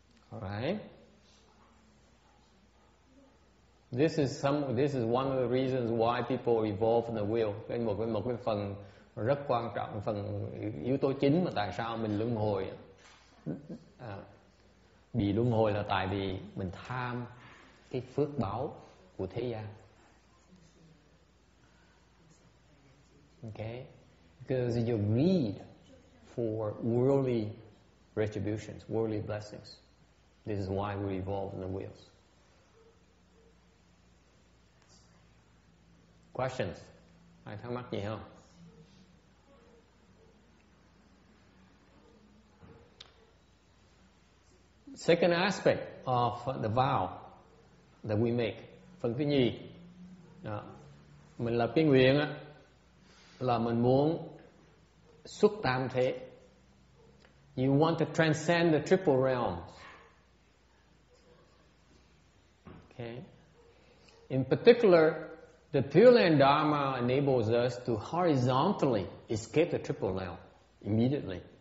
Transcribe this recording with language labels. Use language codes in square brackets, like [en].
[en] Right. This is one of the reasons why people evolve in the wheel. [vi] Cái một cái phần rất quan trọng, phần yếu tố chính mà tại sao mình luân hồi. Bị luân hồi là tại vì mình tham cái phước báo của thế gian. [en] Okay. Because you greed for worldly retributions, worldly blessings. This is why we evolve in the wheels. Questions? [vi] Ai thắc mắc gì không? [en] Second aspect of the vow that we make. [vi] Phần thứ nhì. Mình lập cái nguyện á, là mình muốn xuất tam thế. [en] You want to transcend the triple realms. Okay. In particular, the Pureland Dharma enables us to horizontally escape the triple realm immediately.